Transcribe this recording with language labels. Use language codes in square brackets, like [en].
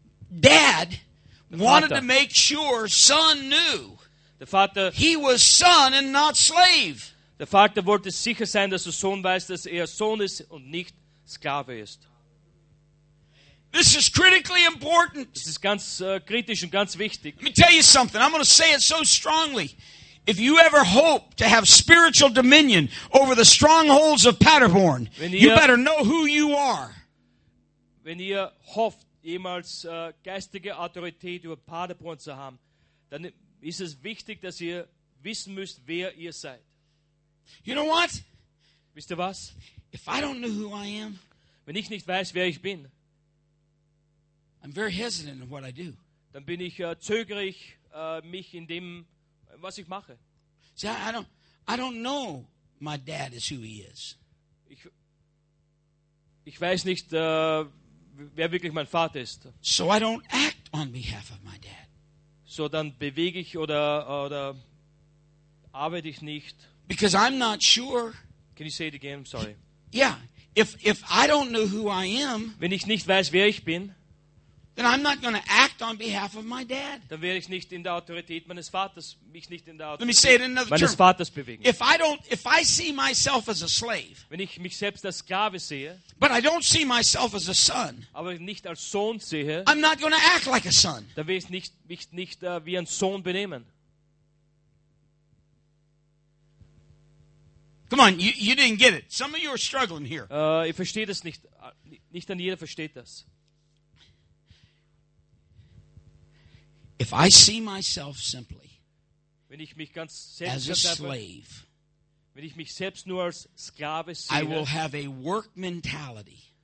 [en] Dad wanted to make sure son knew. [de] Der Vater, [en] he was son and not slave. [de] Der Vater wollte sicher sein, dass der Sohn weiß, dass Sohn ist und nicht Sklave ist. [en] This is critically important. [de] Das ist ganz kritisch und ganz wichtig. [en] Let me tell you something. I'm going to say it so strongly. If you ever hope to have spiritual dominion over the strongholds of Paderborn, you better know who you are. [de] Wenn ihr hofft, jemals geistige Autorität über Paderborn zu haben, dann ist es wichtig, dass ihr wissen müsst, wer ihr seid. [en] You know what? [de] Wisst ihr was? [en] If I don't know who I am, [de] wenn ich nicht weiß, wer ich bin, [en] I'm very hesitant in what I do. [de] Dann bin ich zögerlich mich in dem, was ich mache. [en] See, I don't know my dad is who he is. [de] Ich weiß nicht, wer wirklich mein Vater ist. [en] So I don't act on behalf of my dad. [de] So dann bewege ich oder arbeite ich nicht. [en] Because I'm not sure. Can you say it again? I'm sorry. Yeah. If I don't know who I am, [de] wenn ich nicht weiß, wer ich bin, [en] then I'm not going to act on behalf of my dad. [de] Dann werde ich nicht in der Autorität meines Vaters mich nicht in der Autorität. [en] Let me say it in another [de] meines [en] term. [de] Vaters bewegen. [en] If I see myself as a slave, [de] wenn ich mich selbst als Sklave sehe, [en] but I don't see myself as a son, [de] aber nicht als Sohn sehe, [en] I'm not going to act like a son. [de] Dann werde ich mich nicht wie ein Sohn benehmen. [en] Come on, you didn't get it. Some of you are struggling here. [de] Ich verstehe das nicht. Nicht an jeder versteht das. [en] If I see myself simply, [de] wenn ich mich ganz selbst [en] as a slave, [de] wenn ich mich selbst nur als Sklave sehe, [en] I will have a work mentality.